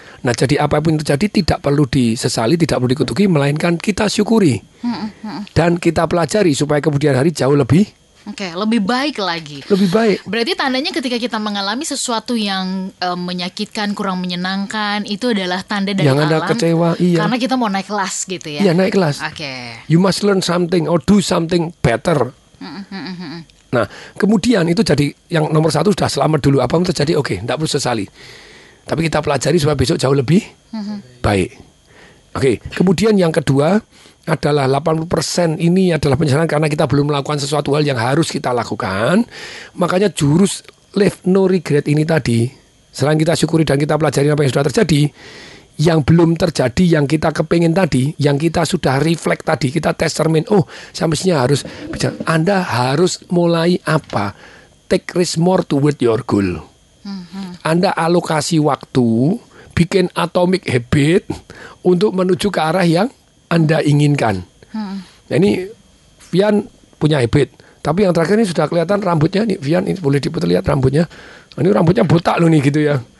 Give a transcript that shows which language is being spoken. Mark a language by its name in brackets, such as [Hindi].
[Indonesian] Nah, jadi apapun yang terjadi tidak perlu disesali, tidak perlu dikutuki, melainkan kita syukuri. Dan kita pelajari supaya kemudian hari jauh lebih. Oke, lebih baik lagi. Lebih baik. Berarti tandanya ketika kita mengalami sesuatu yang menyakitkan, kurang menyenangkan, itu adalah tanda dari yang alam. Yang Anda kecewa, iya. Karena kita mau naik kelas gitu ya. Iya, naik kelas. Oke. [English] You must learn something or do something better. [Indonesian] Nah, kemudian itu jadi yang nomor satu sudah selamat dulu. Apa yang terjadi, oke, tidak perlu sesali. Tapi kita pelajari supaya besok jauh lebih baik. Oke, kemudian yang kedua adalah 80% ini adalah penyesalan karena kita belum melakukan sesuatu hal yang harus kita lakukan. Makanya jurus [English] live no regret [Indonesian] ini tadi, selain kita syukuri dan kita pelajari apa yang sudah terjadi, yang belum terjadi, yang kita kepengen tadi, yang kita sudah reflect tadi, kita tes cermin, oh saya mestinya harus bicara. Anda harus mulai apa? [English] Take risk more toward your goal. [Indonesian] Anda alokasi waktu, bikin atomic habit untuk menuju ke arah yang Anda inginkan. Nah, ini Vian punya habit, tapi yang terakhir ini sudah kelihatan rambutnya nih. Vian ini boleh diputar lihat rambutnya. Ini rambutnya botak loh nih gitu ya.